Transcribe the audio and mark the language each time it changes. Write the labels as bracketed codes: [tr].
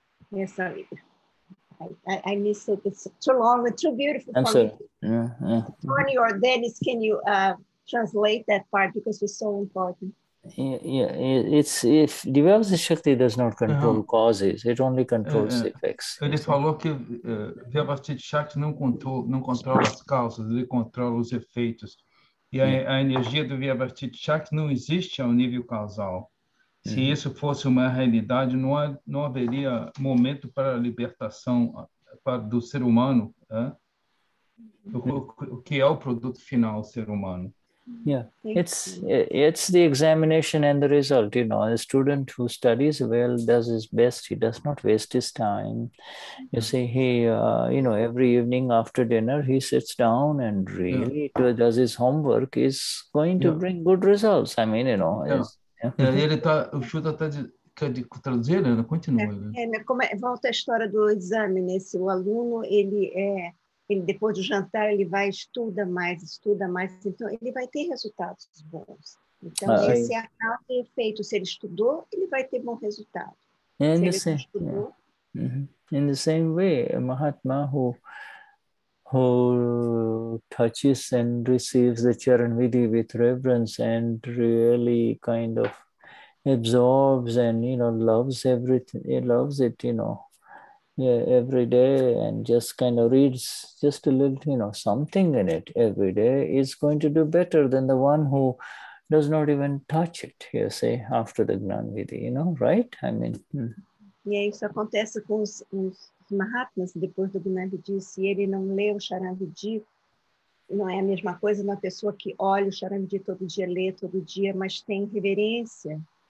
[en] Yes, sorry. I missed it. It's too long. It's too beautiful. I'm sorry. Tony or Dennis, can you translate that part, because it's so important? Yeah, it's if Divyavasa Shakti does not control causes, it only controls effects. [pt] Ele falou que Vyavasthit Shakti não controla as causas, ele controla os efeitos. E a energia do Vyavasthit Shakti não existe ao nível causal. Se isso fosse uma realidade, não haveria momento para a libertação do ser humano, o que é o produto final do ser humano. [en] Yeah, it's the examination and the result. You know, a student who studies well does his best. He does not waste his time. You see, he, you know, every evening after dinner, he sits down and really does his homework. Is going to bring good results. I mean, you know. [pt] Ele tá, o Shuddha tá de traduzir, né? Continua. Volta a história do exame, né? Se o aluno, ele é... Ele, depois do jantar, ele vai, estuda mais. Então, ele vai ter resultados bons. Então, esse é a causa e efeito. Se ele estudou, ele vai ter bom resultado. [en] And [pt] se ele estudou, [en] In the same way, a Mahatma who touches and receives the Charanvidhi with reverence and really kind of absorbs and, you know, loves everything, he loves it, you know, every day, and just kind of reads just a little, you know, something in it every day, is going to do better than the one who does not even touch it, you see, after the Gnanvidhi, you know, right? I mean... [pt] E aí isso acontece com os Mahatmas, depois do Gnanvidhi, se ele não lê o Charanvidhi, não é a mesma coisa uma pessoa que olha o Charanvidhi todo dia, lê todo dia, mas tem reverência.